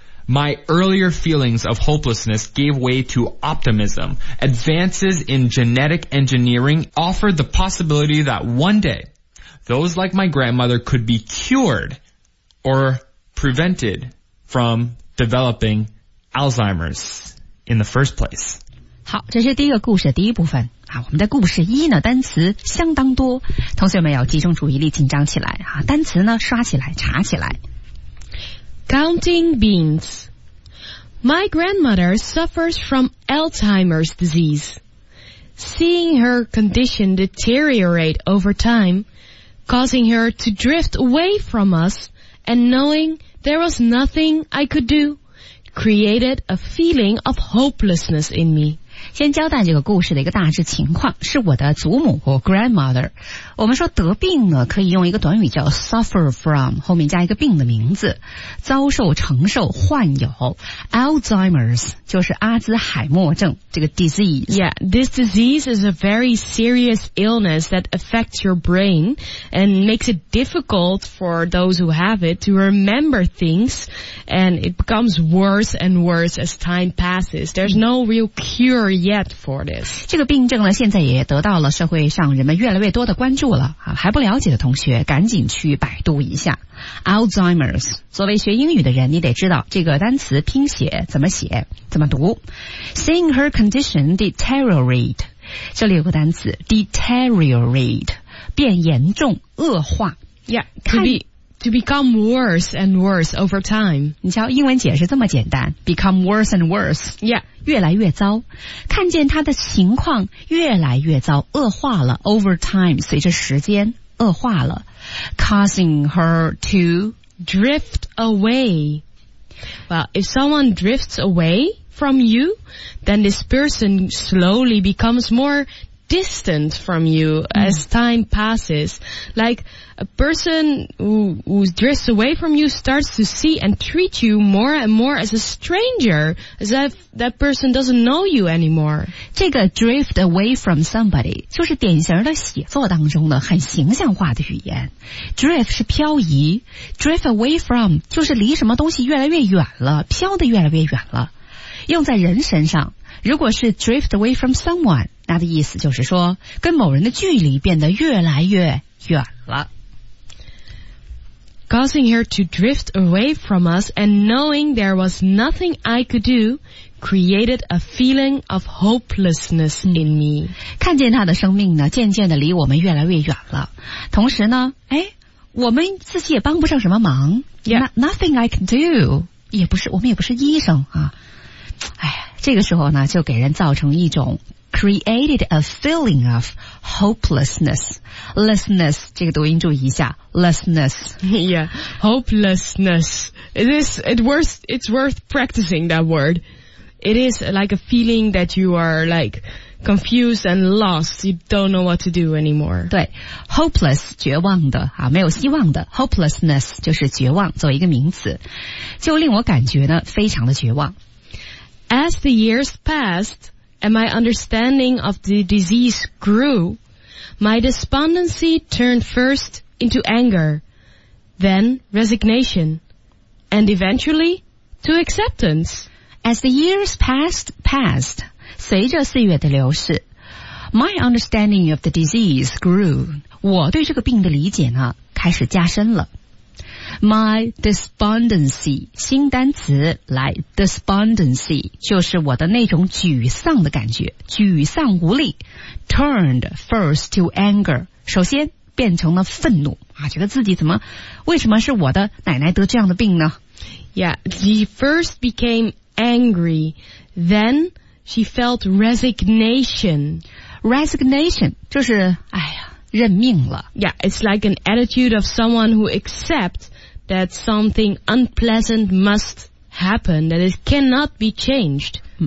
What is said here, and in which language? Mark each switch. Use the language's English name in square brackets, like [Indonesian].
[English] My earlier feelings of hopelessness gave way to optimism. Advances in genetic engineering offered the possibility that one day those like my grandmother could be cured or prevented from developing Alzheimer's in the first place. [Chinese] 好，这是第一个故事的第一部分。我们的故事一呢，单词相当多，同学们要集中注意力，紧张起来，单词呢，刷起来，查起来。 [English] Counting beans. My grandmother suffers from Alzheimer's disease. Seeing her condition deteriorate over time, causing her to drift away from us, and knowing there was nothing I could do, created a feeling of hopelessness in me. [Chinese] 先交代这个故事的一个大致情况，是我的祖母 grandmother。我们说得病呢，可以用一个短语叫 suffer from， 后面加一个病的名字，遭受、承受、患有 Alzheimer's， 就是阿兹海默症这个 disease。 [English] Yeah, this disease is a very serious illness that affects your brain and makes it difficult for those who have it to remember things, and it becomes worse and worse as time passes. There's no real cure yet for this. [Chinese] 这个病症呢，现在也得到了社会上人们越来越多的关注。住了，还不了解的同学赶紧去百度一下 Alzheimer's。作为学英语的人，你得知道这个单词拼写怎么写怎么读。 [English] Seeing her condition deteriorate， [Chinese] 这里有个单词 deteriorate， 变严重恶化。 [English] Yeah, to become worse and worse over time. [Chinese] 你瞧英文解释这么简单， [English] become worse and worse. Yeah, [Chinese] 越来越糟，看见他的情况越来越糟，恶化了， [English] over time， [Chinese] 随着时间恶化了。 [English] causing her to drift away. Well, if someone drifts away from you, then this person slowly becomes more distant from you as time passes. Like a person who drifts away from you starts to see and treat you more and more as a stranger, as if that person doesn't know you anymore. [Chinese] 这个 [English] drift away from somebody [Chinese] 就是典型的写作当中的很形象化的语言。 drift 是漂移， [English] drift away from [Chinese] 就是离什么东西越来越远了，飘得越来越远了。用在人身上，如果是 [English] drift away from someone， [Chinese] 那的意思就是说跟某人的距离变得越来越远了。 [English] Causing her to drift away from us and knowing there was nothing I could do created a feeling of hopelessness in me. [Chinese] 看见她的生命呢渐渐的离我们越来越远了，同时呢我们自己也帮不上什么忙。 [English] Nothing I can do， [Chinese] 也不是，我们也不是医生啊。这个时候呢就给人造成一种 [English] Created a feeling of hopelessness. [Chinese] Lessness, 这个读音注意一下 Lessness. [English] Yeah, hopelessness. It's worth practicing that word. It is like a feeling that you are like confused and lost. You don't know what to do anymore. [Chinese] 对 Hopeless, 绝望的啊，没有希望的 Hopelessness 就是绝望，作为一个名词，就令我感觉呢非常的绝望。 [English] As the years passed,And my understanding of the disease grew. My despondency turned first into anger, then resignation, and eventually to acceptance. As the years passed, [Chinese] 随着岁月的流逝 [English] my understanding of the disease grew. [Chinese] 我对这个病的理解呢，开始加深了。 [English] My despondency [Chinese] 新单词来 despondency 就是我的那种沮丧的感觉，沮丧无力 [English] turned first to anger [Chinese] 首先变成了愤怒啊，觉得自己怎么为什么是我的奶奶得这样的病呢 [English] Yeah, she first became angry then she felt resignation [Chinese] 就是哎呀认命了 [English] Yeah, it's like an attitude of someone who accepts that something unpleasant must happen, that it cannot be changed.